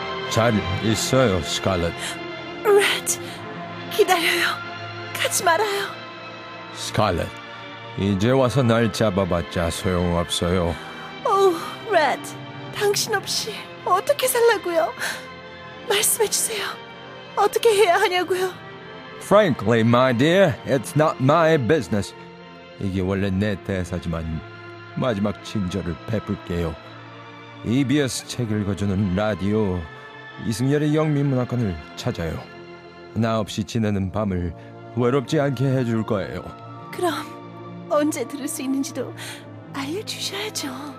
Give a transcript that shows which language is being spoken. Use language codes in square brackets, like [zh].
[ko] 잘 있어요, 스칼렛. 레드, 기다려요. 가지 말아요. 스칼렛, 이제 와서 날 잡아봤자 소용없어요. 오, 레드, 당신 없이 어떻게 살라고요? 말씀해주세요. 어떻게 해야 하냐고요? [en] Frankly, my dear, it's not my business. [ko] 이게 원래 내 대사지만 마지막 친절을 베풀게요. EBS 책 읽어주는 라디오 이승열의 영미문학관을 찾아요. 나 없이 지내는 밤을 외롭지 않게 해줄 거예요. 그럼 언제 들을 수 있는지도 알려주셔야죠.